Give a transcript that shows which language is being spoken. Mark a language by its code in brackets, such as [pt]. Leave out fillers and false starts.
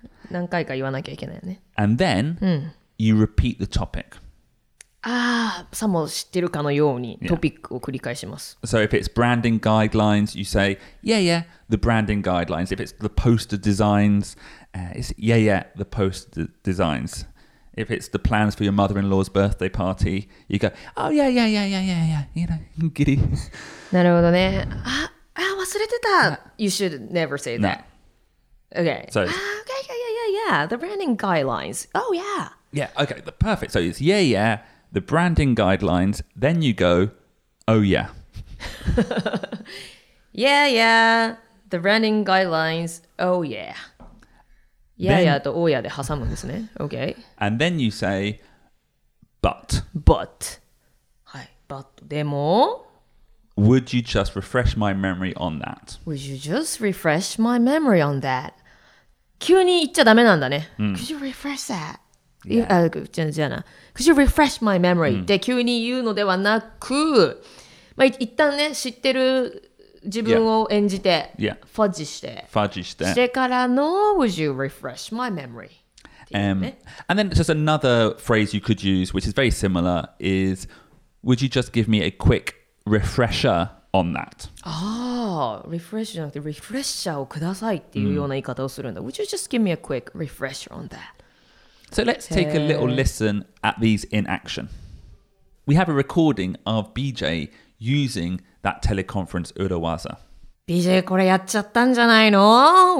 [ja] 何回か言わなきゃいけないよね。 [en] And then、you repeat the topic. [ja] ああ、さも知ってるかのように、トピックを繰り返します。 [en] So if it's branding guidelines, you say, yeah, yeah, the branding guidelines. If it's the poster designs,、it's yeah, yeah, the poster designs. If it's the plans for your mother-in-law's birthday party, you go, oh, yeah, yeah, yeah, yeah, yeah, yeah, you know, giddy. なるほどね。ああ、忘れてた。 You should never say that. No. Okay. So, okay, yeah, yeah, yeah, yeah. The branding guidelines. Oh, yeah. Yeah, okay, the perfect. So it's yeah, yeah, the branding guidelines. Then you go, oh, yeah. yeah, yeah, the branding guidelines. Oh, yeah. [ja] Then, yeah, yeah, と oh, yeah, で挟むんですね。Okay. [en] And then you say, but. But. はい、but. でも。 Would you just refresh my memory on that? Would you just refresh my memory on that? [ja] 急に言っちゃダメなんだね。 [en] Could you refresh that? Yeah. Could you refresh my memory? [ja] で急に言うのではなく、まあ一旦ね、知ってる自分を演じて、fudge して、 fudge して、 [en] してからの、 would you refresh my memory? And then just another phrase you could use, which is very similar, is, would you just give me a quick... Refresher on that. [ja] Ah, refresher じゃなくて refresher をくださいっていうような言い方をするんだ。 [en] Would you just give me a quick refresher on that? So let's take a little listen at these in action. We have a recording of BJ using that teleconference 裏技. [ja] BJ, これやっちゃったんじゃないの?